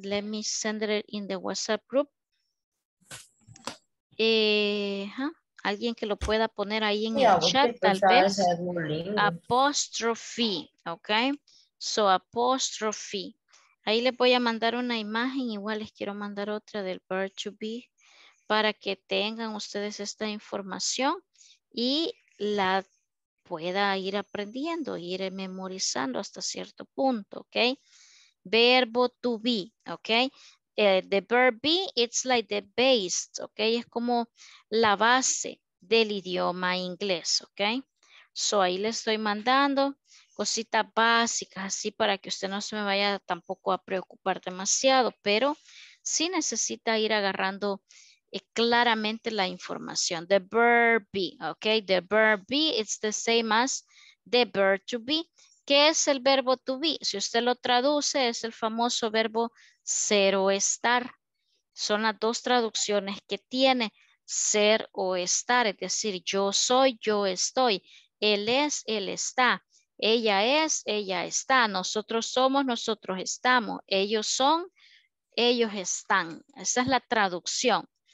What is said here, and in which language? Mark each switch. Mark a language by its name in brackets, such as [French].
[English] Let me send it in the WhatsApp group. [Spanish] Alguien que lo pueda poner ahí en el chat, tal vez. Apóstrofe, ok. So, apóstrofe. Ahí les voy a mandar una imagen, igual les quiero mandar otra del verb to be, para que tengan ustedes esta información y la pueda ir aprendiendo, ir memorizando hasta cierto punto, ok. [English] Verbo to be, ok. The verb be, it's like the base, ok, [Spanish] es como la base del idioma inglés, [English] ok. [Spanish] So ahí le estoy mandando cositas básicas así para que usted no se me vaya tampoco a preocupar demasiado, pero sí necesita ir agarrando claramente la información. [English] The verb be, ok, the verb be, it's the same as the verb to be. [Spanish] ¿Qué es el verbo to be? Si usted lo traduce, es el famoso verbo ser o estar. Son las dos traducciones que tiene ser o estar. Es decir, yo soy, yo estoy. Él es, él está. Ella es, ella está. Nosotros somos, nosotros estamos. Ellos son, ellos están. Esa es la traducción.